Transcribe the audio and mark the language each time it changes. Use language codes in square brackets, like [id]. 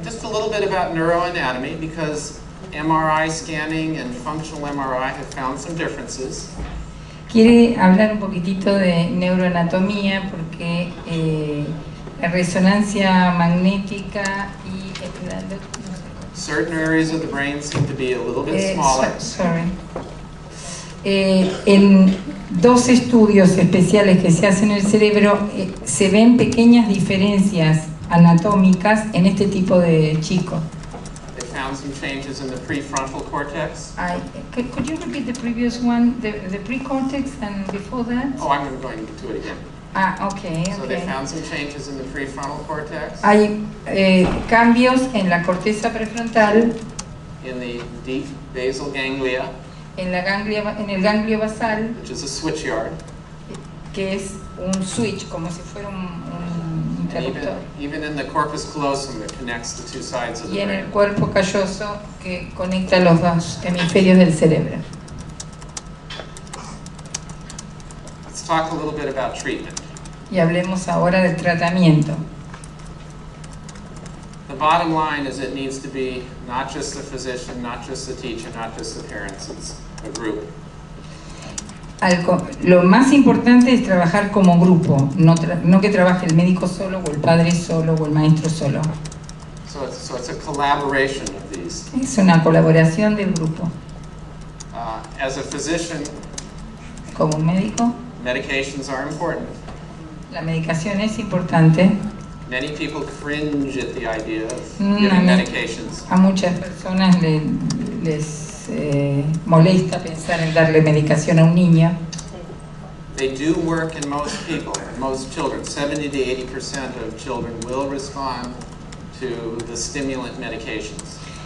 [en] little bit about neuroanatomy because MRI scanning and functional MRI have found some differences. [es] Quiere hablar un poquitito de neuroanatomía porque la resonancia magnética y [en] certain areas of the brain seem to be a little bit smaller. [es] En dos estudios especiales que se hacen en el cerebro se ven pequeñas diferencias anatómicas en este tipo de chico. [en] They found some changes in the prefrontal cortex. Could you repeat the previous one, the pre-cortex and before that? Oh, I'm going to do it again. Okay. They found some changes in the prefrontal cortex. [es] Hay cambios en la corteza prefrontal. [en] In the deep basal ganglia. [es] En el ganglio basal. [en] Which is a switchyard. [es] Que es un switch, como si fuera un interruptor. [en] Even in the corpus callosum that connects the two sides of the brain. [es] Y en el cuerpo calloso que conecta los dos hemisferios del cerebro. [en] Talk a little bit about treatment. [es] Y hablemos ahora del tratamiento. [en] The bottom line is it needs to be not just the physician, not just the teacher, not just the parents, it's a group. [es] Lo más importante es trabajar como grupo, no que trabaje el médico solo o el padre solo o el maestro solo. [en] So it's a collaboration of these. [es] Es una colaboración del grupo. [en] As a physician, [es] como un médico, [en] medications are important. [es] La medicación es importante. [en] Many people cringe at the idea of giving medications. [es] A muchas personas les molesta pensar en darle medicación a un niño. [en] They do work in most people, most children. 70-80% of children will respond to the stimulant medications.